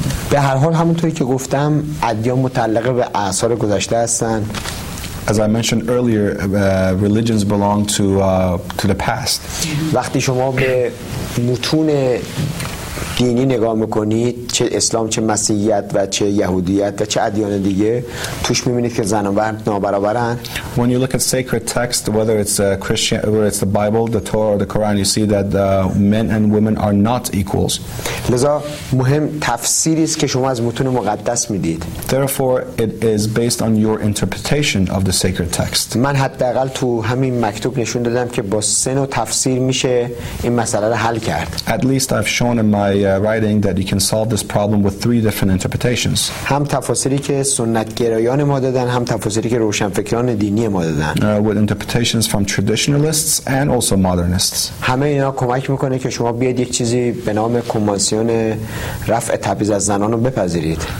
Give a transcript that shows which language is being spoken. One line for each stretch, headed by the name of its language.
Persian: به هر حال همونطوری که گفتم ادیان متعلقه به آثار گذشته هستن.
English: As I mentioned earlier, religions belong to the past.
Persian: وقتی شما به متون دینی نگاه میکنید چه اسلام چه مسیحیت و چه یهودیت و چه ادیان دیگه توش میبینید که زن و مرد نابرابرن
English: when you look at sacred text whether it's a Christian whether it's the Bible the Torah or the Quran you see that men and women are not equals
Persian: لذا مهم تفسیری است که شما از متون مقدس میدید
English: therefore it is based on your interpretation of the sacred text
Persian: من حداقل تو همین مکتوب نشون دادم که با سن و تفسیر میشه این مسئله رو حل کرد
English: at least I've shown in my writing that you can solve this problem with three different interpretations
Persian: هم تفسیری که سنت گرایان ما دادن هم تفسیری که روشنفکران دینی ما دادن
English: with interpretations from traditionalists and also modernists
Persian: همه اینا کمک میکنه که شما بیاید یک چیزی به نام کنوانسیون رفع تبعیض از زنان رو بپذیرید